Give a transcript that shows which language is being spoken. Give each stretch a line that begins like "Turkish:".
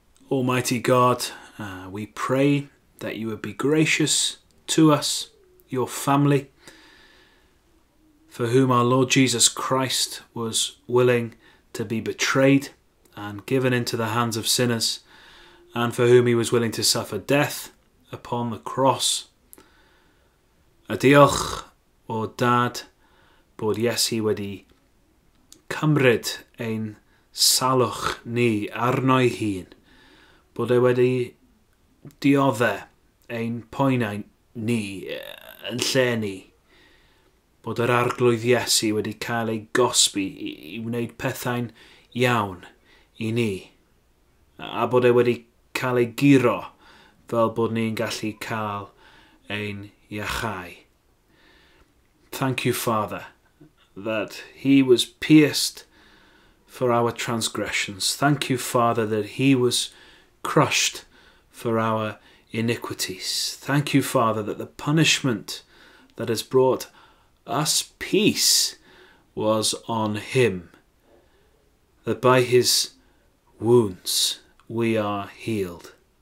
English: Almighty God, we pray that you would be gracious to us, your family, for whom our Lord Jesus Christ was willing to be betrayed and given into the hands of sinners, and for whom he was willing to suffer death upon the cross.
Welsh: Adioch, o dad, bod Iesu wedi cymryd ein salwch ni arno ei hun, bod e wedi diodde ein poenau ni yn lle ni, bod yr arglwydd Iesu wedi cael ei gosbi i wneud pethau'n iawn i ni, a bod e wedi cael ei guro fel bod ni'n gallu cael ein iachau.
English: Thank you, Father, that he was pierced for our transgressions. Thank you, Father, that he was crushed for our iniquities. Thank you, Father, that the punishment that has brought us peace was on him, that by his wounds we are healed.